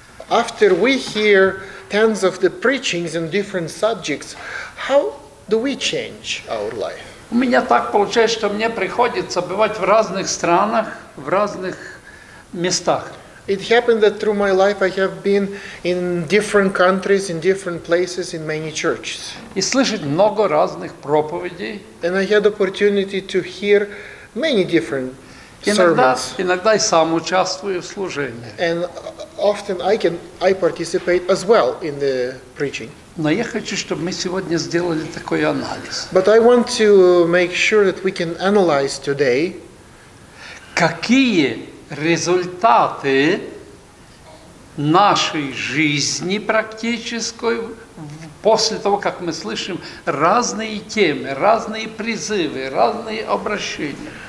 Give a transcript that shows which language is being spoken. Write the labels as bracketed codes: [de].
[en] After we hear tens of the preachings on different subjects, how do we change our life? [ru] У меня так получается, что мне приходится бывать в разных странах, в разных местах. [en] It happened that through my life I have been in different countries, in different places, in many churches. [ru] И слышать много разных проповедей. [en] And I had opportunity to hear many different sermons. [ru] Иногда и сам участвую в служении. [en] And often I participate as well in the preaching. [ru] Но я хочу, чтобы мы сегодня сделали такой анализ. [en] But I want to make sure that we can analyze today. [ru] Какие результаты нашей жизни практической после того, как мы слышим разные темы, разные призывы, разные обращения?